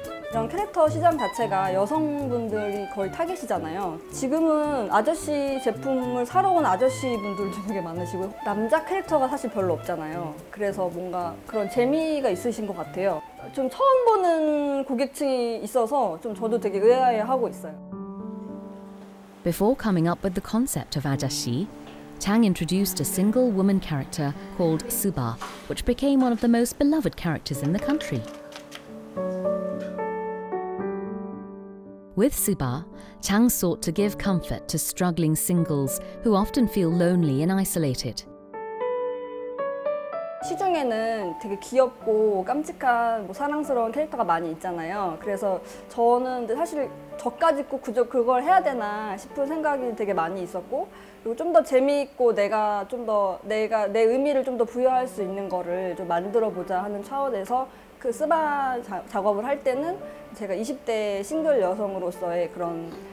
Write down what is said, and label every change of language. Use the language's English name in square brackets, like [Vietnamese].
[Korean] 이런 캐릭터 시장 자체가 여성분들이 거의 타깃이잖아요. 지금은 아저씨 제품을 사러 온 아저씨 분들 중에 많으시고 남자 캐릭터가 사실 별로 없잖아요. 그래서 뭔가 그런 재미가 있으신 것 같아요. 좀 처음 보는 고객층이 있어서 좀 저도 되게 의아해하고 있어요. [English] Before coming up with the concept of 아저씨. Chang introduced a single woman character called Suba, which became one of the most beloved characters in the country. With Suba, Chang sought to give comfort to struggling singles who often feel lonely and isolated. [Korean] 시중에는 되게 귀엽고 깜찍한 뭐 사랑스러운 캐릭터가 많이 있잖아요. 그래서 저는 사실 저까지 꼭 그저 그걸 해야 되나 싶은 생각이 되게 많이 있었고 그리고 좀 더 재미있고 내가 좀 더 내가 내 의미를 좀 더 부여할 수 있는 거를 좀 만들어 보자 하는 차원에서 그 스바 작업을 할 때는 제가 20대 싱글 여성으로서의 그런